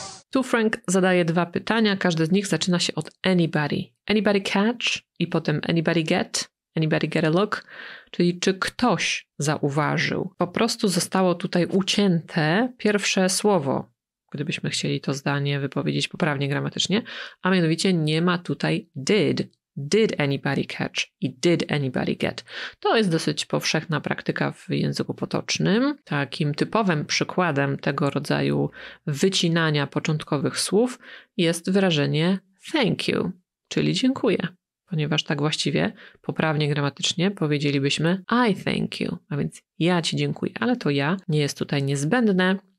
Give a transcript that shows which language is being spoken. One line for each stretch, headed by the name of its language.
Polish: Tu Frank zadaje dwa pytania. Każde z nich zaczyna się od anybody.
English: Anybody catch?
Polish: I potem
English: anybody get? Anybody get a look?
Polish: Czyli czy ktoś zauważył? Po prostu zostało tutaj ucięte pierwsze słowo. Gdybyśmy chcieli to zdanie wypowiedzieć poprawnie gramatycznie, a mianowicie nie ma tutaj did.
English: Did anybody catch i did anybody get.
Polish: To jest dosyć powszechna praktyka w języku potocznym. Takim typowym przykładem tego rodzaju wycinania początkowych słów jest wyrażenie thank you, czyli dziękuję. Ponieważ tak właściwie poprawnie gramatycznie powiedzielibyśmy
English: I thank you,
Polish: a więc ja ci dziękuję, ale to ja nie jest tutaj niezbędne.